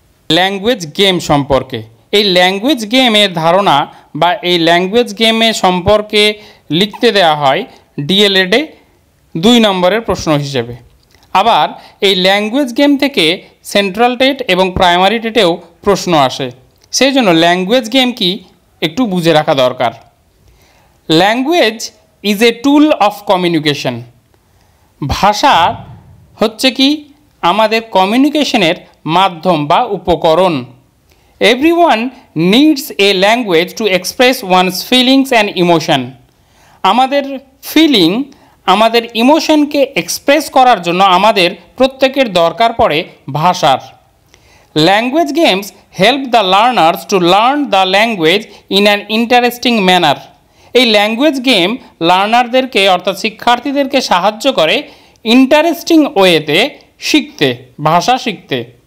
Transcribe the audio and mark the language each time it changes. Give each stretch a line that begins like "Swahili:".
Bangla: Language game সম্পর্কে, এই language গেমের ধারণা বা এই ল্যাঙ্গুয়েজ গেমের সম্পর্কে লিখতে দেওয়া হয় ডিএলএডে দুই নম্বরের প্রশ্ন হিসেবে। আবার এই ল্যাঙ্গুয়েজ গেম থেকে সেন্ট্রাল টেট এবং প্রাইমারি টেটেও প্রশ্ন আসে, সেই জন্য ল্যাঙ্গুয়েজ গেম কি একটু বুঝে রাখা দরকার।
English: Language is a tool of communication.
Bangla: ভাষা হচ্ছে কি আমাদের কমিউনিকেশনের মাধ্যম বা উপকরণ.
English: Everyone needs a language to express one's feelings and emotion.
Bangla: আমাদের ফিলিং আমাদের ইমোশনকে এক্সপ্রেস করার জন্য আমাদের প্রত্যেকের দরকার পড়ে ভাষার.
English: Language games help the learners to learn the language in an interesting manner.
Bangla: এই ল্যাঙ্গুয়েজ গেম লার্নারদেরকে অর্থাৎ শিক্ষার্থীদেরকে সাহায্য করে ইন্টারেস্টিং ওয়েতে শিখতে, ভাষা শিখতে.